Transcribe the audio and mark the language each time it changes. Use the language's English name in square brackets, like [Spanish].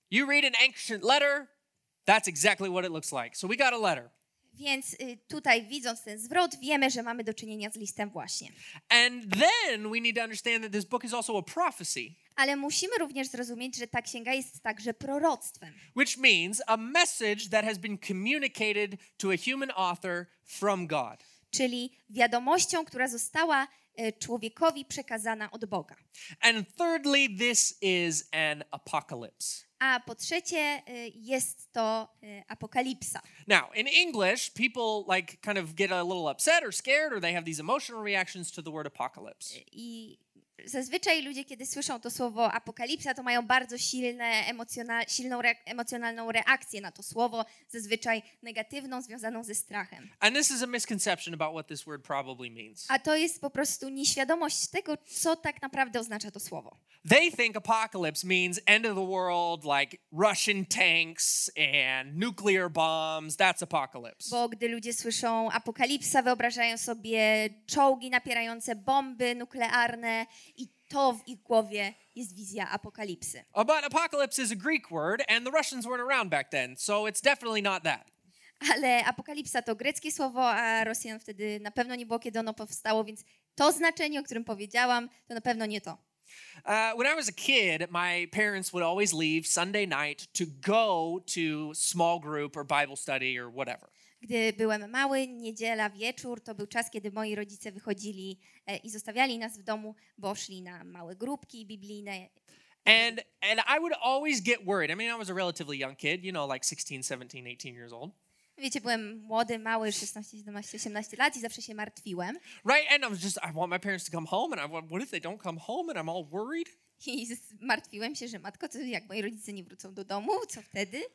[English] You read an ancient letter, that's exactly what it looks like. So we got a letter. [Polish] Więc tutaj widząc ten zwrot, wiemy, że mamy do czynienia z listem właśnie. [English] And then we need to understand that this book is also a prophecy. [Polish] Ale musimy również zrozumieć, że ta księga jest także proroctwem. [English] Which means a message that has been communicated to a human author from God. [Polish] Czyli wiadomością, która została człowiekowi przekazana od Boga. [English] And thirdly, this is an apocalypse. [Polish] A po trzecie jest to apokalipsa. [English] Now, in English, people like kind of get a little upset or scared or they have these emotional reactions to the word apocalypse. [Polish] I zazwyczaj ludzie, kiedy słyszą to słowo apokalipsa, to mają bardzo silną emocjonalną reakcję na to słowo, zazwyczaj negatywną, związaną ze strachem. [English] And this is a misconception about what this word probably means. [Polish] A to jest po prostu nieświadomość tego, co tak naprawdę oznacza to słowo. [English] They think apocalypse means end of the world, like Russian tanks and nuclear bombs. That's apocalypse. [Polish] Bo gdy ludzie słyszą apokalipsa, wyobrażają sobie czołgi napierające bomby nuklearne i to w ich głowie jest wizja apokalipsy. [English] But apocalypse is a Greek word and the Russians weren't around back then, so it's definitely not that. [Polish] Ale apokalipsa to greckie słowo, a Rosjan wtedy na pewno nie było, kiedy ono powstało, więc to znaczenie, o którym powiedziałam, to na pewno nie to. [English] When I was a kid, my parents would always leave Sunday night to go to small group or Bible study or whatever. [Polish] Gdy byłem mały, niedziela wieczór, to był czas, kiedy moi rodzice wychodzili i zostawiali nas w domu, bo szli na małe grupki biblijne. [English] And I would always get worried. I mean, I was a relatively young kid, you know, like 16, 17, 18 years old. [Polish] Wiecie, byłem młody, mały, 16, 17, 18 lat i zawsze się martwiłem. [English] Right, and I was just, I want my parents to come home, and I want, what if they don't come home, and I'm all worried? [Polish] I martwiłem się, że matko, co jak moi rodzice nie wrócą do domu, co wtedy?